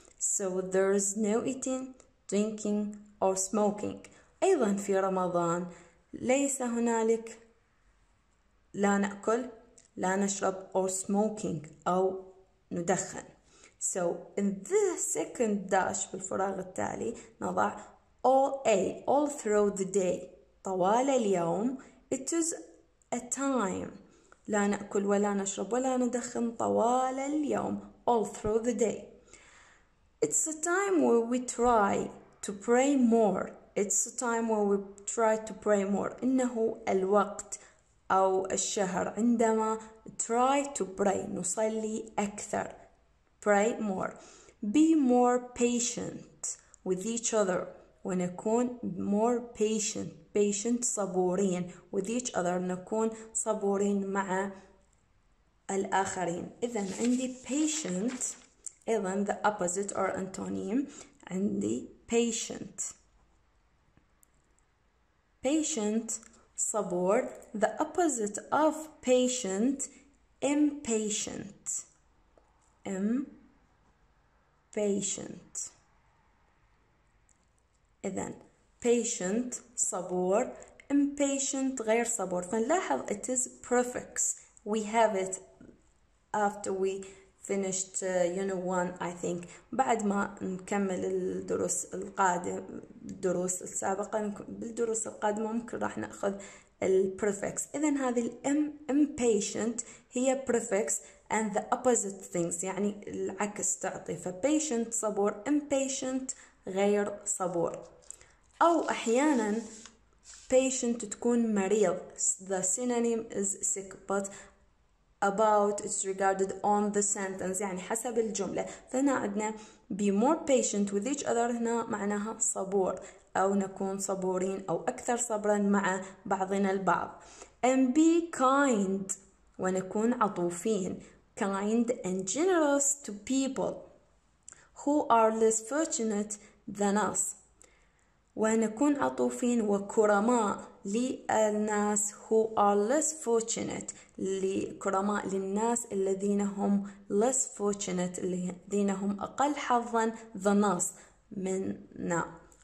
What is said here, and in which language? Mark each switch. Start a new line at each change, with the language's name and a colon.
English: so there is no eating, drinking or smoking.
Arabic: أيضا في رمضان ليس هنالك لا نأكل لا نشرب or smoking أو ندخن.
English: so in the second dash بالفراغ التالي نضع all through the day طوال اليوم.
Arabic: it is a time لا نأكل ولا نشرب ولا ندخن طوال اليوم.
English: all through the day it's a time where we try to pray more. It's a time where we try to pray more.
Arabic: إنه الوقت أو الشهر عندما try to pray نصلي أكثر.
English: Pray more. Be more patient with each other. ونكون more patient. Patient صبورين.
Arabic: With each other نكون صبورين مع الآخرين.
English: إذن عندي patient. إذن the opposite or antonym.
Arabic: عندي patient.
English: Patient, صبور. The opposite of patient, impatient. Impatient.
Arabic: إذن, patient, صبور. Impatient, غير صبور.
English: فنلاحظ, it is prefix. We have it after we finished unit 1, I think.
Arabic: بعد ما نكمل الدروس القادم الدروس السابقة بالدروس القادمة ممكن راح نأخذ البريفكس. إذن هذه impatient هي prefix and the opposite things يعني العكس تعطي. فpatient صبور. impatient غير صبور. أو أحيانا patient تكون مريض.
English: the synonym is sick but about is regarded on the sentence يعني حسب الجملة.
Arabic: فهنا عندنا be more patient with each other هنا معناها صبور أو نكون صبورين أو أكثر صبرا مع بعضنا البعض. and be kind ونكون عطوفين.
English: kind and generous to people who are less fortunate than us.
Arabic: ونكون عطوفين وكرماء للناس who are less fortunate, لكرماء للناس الذين هم less fortunate, الذين هم أقل حظا than us, مننا.